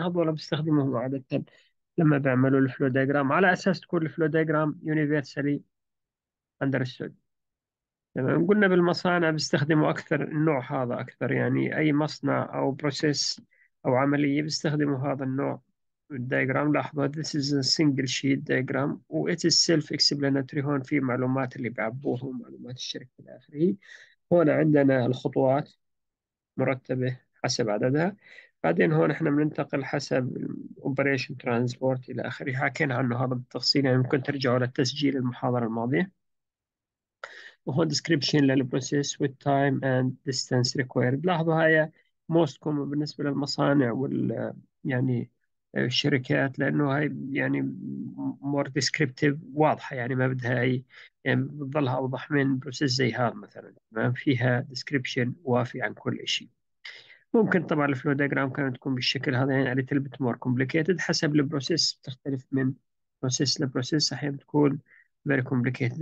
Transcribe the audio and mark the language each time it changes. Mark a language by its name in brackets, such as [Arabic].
[Arabic] هذول بيستخدموهم عاده لما بيعملوا الفلو دايجرام على اساس تكون الفلو دايجرام [English] Universally understood. [Arabic] تمام، قلنا بالمصانع بيستخدموا اكثر النوع هذا اكثر، يعني اي مصنع او بروسيس او عمليه بيستخدموا هذا النوع الدايجرام. لاحظوا [English] this is a single sheet diagram و it is self explanatory. [Arabic] هون في معلومات اللي بيعبوه ومعلومات الشركة إلى آخره. هون عندنا الخطوات مرتبة حسب عددها، بعدين هون احنا بننتقل حسب [English] operation transport [Arabic] إلى آخره، حكينا عنه هذا بالتفصيل، يعني ممكن ترجعوا للتسجيل المحاضرة الماضية. وهون description للبروسيس [English] with time and distance required. [Arabic] لاحظوا هاي [English] most common [Arabic] بالنسبة للمصانع وال يعني الشركات، لانه هاي يعني [English] more descriptive [Arabic] واضحه، يعني ما بدها اي يعني بتضلها اوضح من بروسيس زي هذا مثلا. تمام، فيها ديسكريبشن وافي عن كل شيء. ممكن طبعا الفلو دايجرام كانت تكون بالشكل هذا، يعني [English] a little bit more complicated [Arabic] حسب البروسيس، بتختلف من بروسيس لبروسيس، احيانا تكون [English] very complicated.